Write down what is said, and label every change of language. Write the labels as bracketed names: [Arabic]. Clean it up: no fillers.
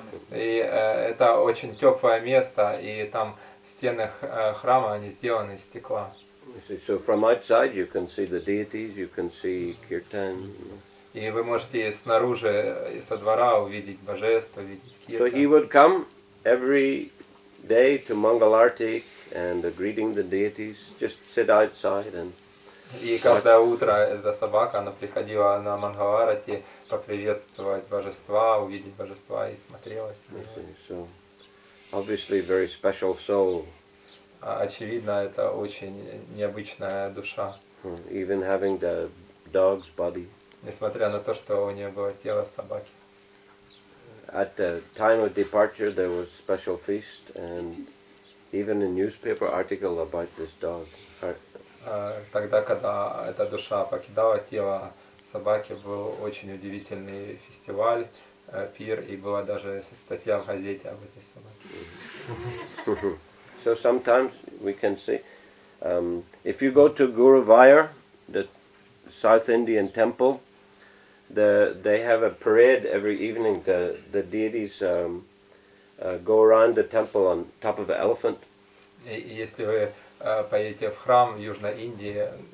[Russian] И это очень теплое место, и там стены храма они сделаны из стекла. [English] So from outside you can see the deities, you can see kirtan. [Russian] И вы можете снаружи, со двора, увидеть божество, видеть киртан. [English] So he would come every day to Mangal Arti and greeting the deities, just sit outside and. [Russian] И каждое утро эта собака, она приходила на Мангал Арти поприветствовать божества, увидеть божества и смотрела с ними. [English] So, obviously, very special soul. [Russian] Очевидно, это очень необычная душа. [English] Even having the dog's body. [Russian] Несмотря на то, что у нее было тело собаки. [English] At the time of departure, there was special feast, and even a newspaper article about this dog. [Russian] Тогда, когда эта душа покидала тело собаки, был очень удивительный фестиваль, пир, и была даже статья в газете об этой собаке. [English] So sometimes we can see, if you go to Guruvayur, the South Indian temple. They have a parade every evening. The deities go around the temple on top of an elephant. [Russian] Если вы поедете в храм в Южной Индии,